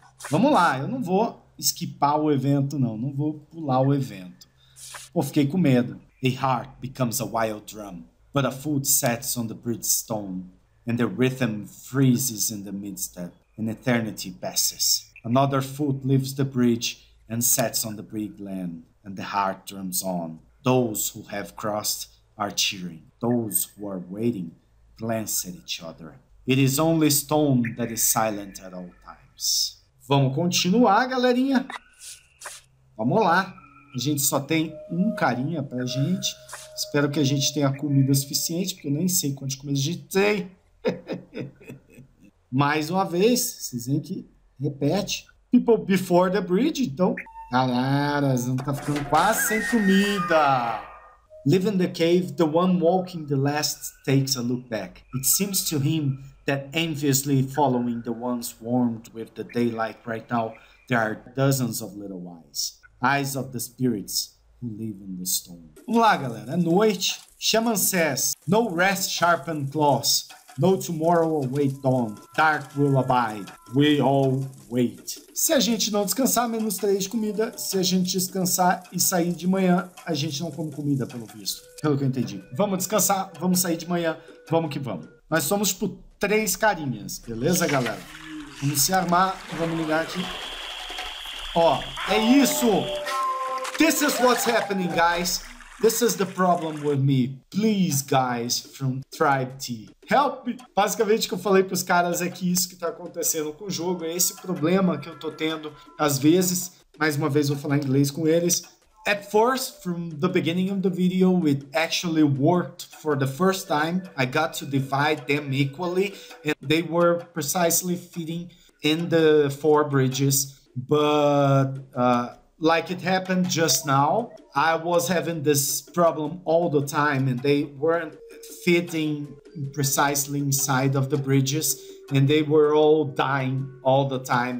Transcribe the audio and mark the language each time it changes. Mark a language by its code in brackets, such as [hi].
[pt] Vamos lá, eu não vou skipar o evento, não. Não vou pular o evento. Pô, fiquei com medo. [en] A heart becomes a wild drum, but a foot sets on the bridge stone, and the rhythm freezes in the midstep, and eternity passes. Another foot leaves the bridge and sets on the brick land, and the heart drums on. Those who have crossed are cheering. Those who are waiting glance at each other. It is only stone that is silent at all times. [pt] Vamos continuar, galerinha. Vamos lá. A gente só tem um carinha pra gente. Espero que a gente tenha comida suficiente, porque eu nem sei quanto comida a gente tem. Mais uma vez, vocês veem que repete. [en] People before the bridge, [pt] então. Galera, a gente tá ficando quase sem comida. [en] Leaving the cave, the one walking the last takes a look back. It seems to him that enviously following the ones warmed with the daylight right now, there are dozens of little eyes. Eyes of the spirits who live in the stone. [pt] Vamos lá, galera. É noite. [en] Shaman says, no rest sharpened claws. No tomorrow await dawn. Dark will abide. We all wait. [pt] Se a gente não descansar, menos 3 de comida. Se a gente descansar e sair de manhã, a gente não come comida, pelo visto. Pelo que eu entendi. Vamos descansar, vamos sair de manhã. Vamos que vamos. Nós somos, tipo, 3 carinhas, beleza, galera? Vamos se armar, vamos ligar aqui. Ó, é isso! [en] This is what's happening, guys. This is the problem with me. Please, guys, from Tribe T. Help me! [pt] Basicamente, o que eu falei pros caras é que isso que tá acontecendo com o jogo, é esse problema que eu tô tendo às vezes. Mais uma vez, vou falar inglês com eles. [en] At first, from the beginning of the video, it actually worked for the first time. I got to divide them equally, and they were precisely fitting in the four bridges. But like it happened just now, I was having this problem all the time and they weren't fitting precisely inside of the bridges and they were all dying all the time.